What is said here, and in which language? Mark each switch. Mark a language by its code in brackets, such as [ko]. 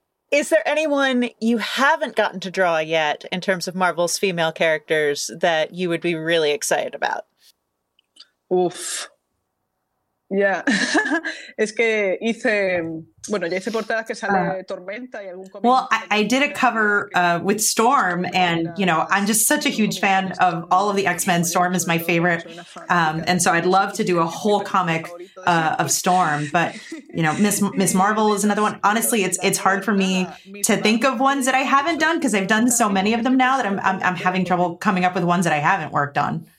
[en] Is there anyone you haven't gotten to draw yet in terms of Marvel's female characters that you would be really excited about? Oof. Yeah. [es] Es que hice, bueno, ya hice portadas que sale Tormenta y algún cómic. [en] Well, I did a cover with Storm, and, you know, I'm just such a huge fan of all of the X-Men. Storm is my favorite. And so I'd love to do a whole comic of Storm. But, you know, Miss Marvel is another one. Honestly, it's hard for me to think of ones that I haven't done because I've done so many of them now that I'm having trouble coming up with ones that I haven't worked on.